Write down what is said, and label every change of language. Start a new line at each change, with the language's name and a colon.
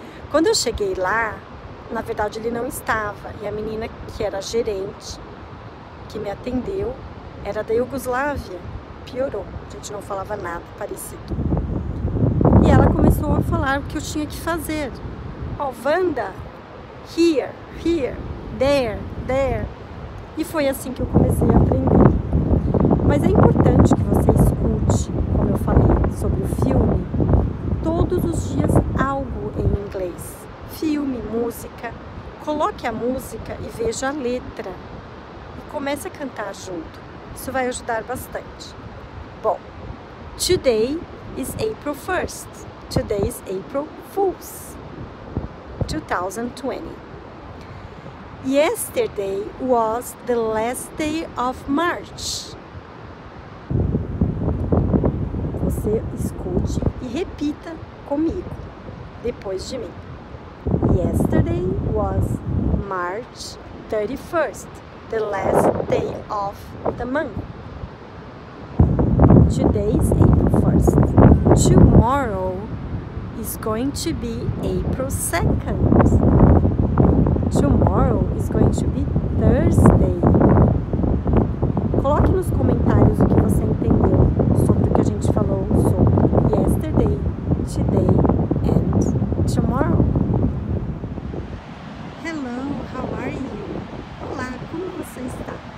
Portuguese: Quando eu cheguei lá, na verdade ele não estava. E a menina que era gerente, que me atendeu, era da Iugoslávia. Piorou, a gente não falava nada parecido. E ela começou a falar o que eu tinha que fazer.
English: Ó, Wanda, here, here, there, there.
Portuguese: E foi assim que eu comecei a aprender. Mas é importante que você escute, como eu falei sobre o filme, todos os dias algo em inglês. Filme, música. Coloque a música e veja a letra. E comece a cantar junto. Isso vai ajudar bastante.
English: Bom, today is April 1st. Today is April Fool's. 2020. Yesterday was the last day of March.
Portuguese: Você escute e repita comigo, depois de mim.
English: Yesterday was March 31st, the last day of the month. Today is April 1st. Tomorrow is going to be April 2nd. Tomorrow is going to be Thursday.
Portuguese: Coloque nos comentários o que você entendeu sobre o que a gente falou sobre
English: yesterday, today and tomorrow. Hello, how are you?
Portuguese: Olá, como você está?